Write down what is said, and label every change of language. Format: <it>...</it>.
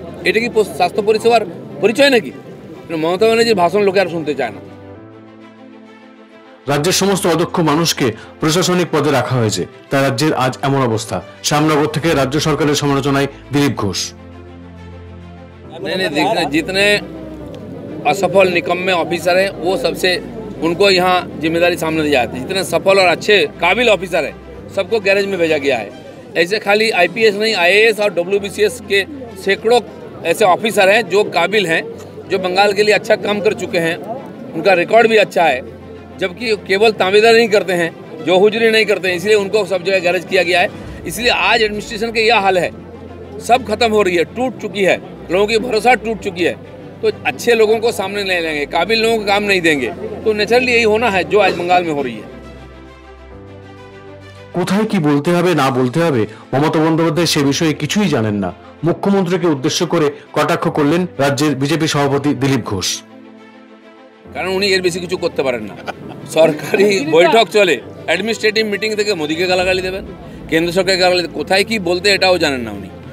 <bn>এটা কি স্বাস্থ্য পরিষেবার পরিচয় নাকি? মমতা ব্যানার্জির ভাষণ লোকে আর শুনতে চায় না। রাজ্যের সমস্ত অদক্ষ মানুষকে প্রশাসনিক পদে রাখা হয়েছে, তাই রাজ্যের আজ এমন অবস্থা। শ্যামনগর থেকে রাজ্য সরকারের সমালোচনায় দিলীপ ঘোষ।</bn> <hi>जितने असफल निकम्मे ऑफिसर हैं वो सबसे उनको यहाँ जिम्मेदारी सामने दी जाती है। जितने सफल और अच्छे काबिल ऑफिसर हैं सबको गैरेज में भेजा गया है। ऐसे खाली आईपीएस नहीं, आईएएस और डब्ल्यूबीसीएस के सैकड़ों ऐसे ऑफिसर हैं जो काबिल हैं, जो बंगाल के लिए अच्छा काम कर चुके हैं, उनका रिकॉर्ड भी अच्छा है। जबकि केवल तामेदार नहीं करते हैं, जो हुजरी नहीं करते हैं, इसलिए उनको सब जगह गैरेज किया गया है। इसलिए आज एडमिनिस्ट्रेशन का यह हाल है, सब खत्म हो रही है, टूट चुकी है, लोगों की भरोसा टूट चुकी है। तो अच्छे लोगों को सामने ले लेंगे, काबिल लोगों को काम नहीं देंगे, तो नेचुरली यही होना है जो आज बंगाल में हो रही है।</hi> <bn>কোথায় কি বলতে হবে না বলতে হবে মমতা বন্দ্যোপাধ্যায় সে বিষয়ে কিছুই জানেন না। মুখ্যমন্ত্রীকে উদ্দেশ্য করে কটাক্ষ করলেন রাজ্যের বিজেপি সভাপতি দিলীপ ঘোষ। কারণ উনি এর বেশি কিছু করতে পারেন না। সরকারি বৈঠক চলে, অ্যাডমিনিস্ট্রেটিভ মিটিং থেকে মোদীকে গালাগালি দেবেন, কেন্দ্র সরকারকে গালাগালি, কোথায় কি বলতে এটাও জানেন না উনি।</bn>